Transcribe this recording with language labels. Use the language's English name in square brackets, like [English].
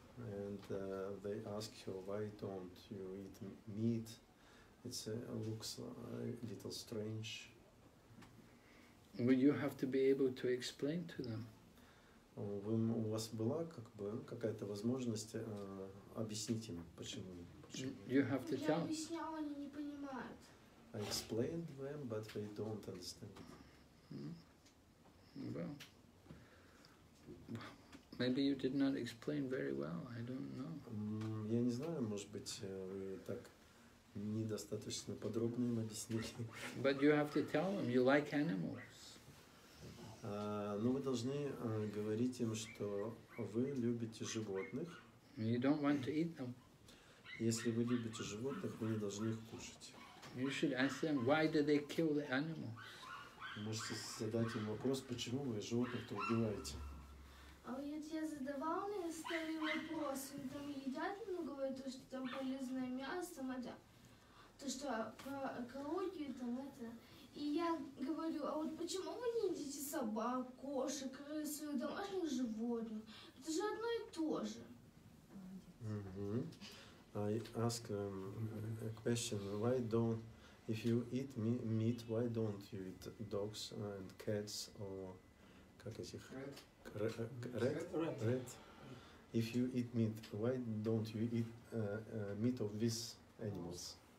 [English] And they ask you, why don't you eat meat? It looks a little strange. Well, you have to be able to explain to them. [Russian] У вас была как бы какая-то возможность объяснить им, почему? [English] You have to tell. [Russian] Я объясняла, они не понимают. [English] I explained them, but they don't understand. Maybe you did not explain very well. I don't know. [Russian] Я не знаю, может быть, вы так недостаточно подробно им объяснили. [English] But you have to tell them you like animals. [Russian] Но вы должны говорить им, что вы любите животных. [English] You don't want to eat them. [Russian] Если вы любите животных, вы не должны их кушать. [English] You should ask them why do they kill the animals. [Russian] Вы можете задать им вопрос, почему вы животных то убиваете. А я тебе задавал мне старый вопрос, они там едят много, то, что там полезное мясо, там это, то, что про экологию, там это. И я говорю, а вот почему вы не едите собак, кошек, крыс, домашних животных? Это же одно и то же. [English] I ask a question, why don't, if you eat meat, why don't you eat dogs and cats, or [Russian] как этих? [English] Red. If you eat meat, why don't you eat meat of these animals?